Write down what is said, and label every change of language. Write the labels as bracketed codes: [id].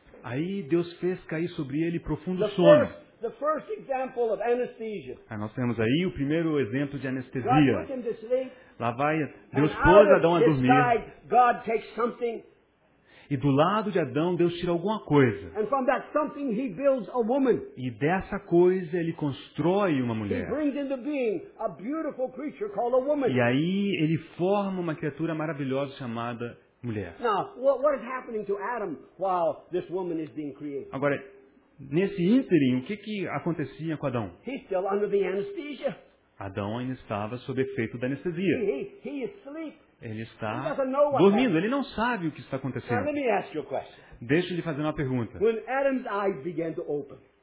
[pt] Aí Deus fez cair sobre ele profundo sono. [en] The first example of anesthesia. [pt] Aí nós temos aí o primeiro exemplo de anestesia. Lá vai, Deus pôs Adão a dormir. E do lado de Adão, Deus tira alguma coisa. [en] And from that something he builds a woman. [pt] E dessa coisa, ele constrói uma mulher. [en] He brings into being a beautiful creature called a woman. [pt] E aí, ele forma uma criatura maravilhosa chamada mulher. [en] Now, what is happening to Adam while this woman is being created? [pt] Agora, nesse ínterim, o que que acontecia com Adão? [en] He's still under the anesthesia. [pt] Adão ainda estava sob efeito da anestesia. [en] He is asleep. [pt] Ele está dormindo, ele não sabe o que está acontecendo. [en] Now, let me ask you a question. [pt] Deixa eu lhe fazer uma pergunta. [en] When Adam's eyes began to open,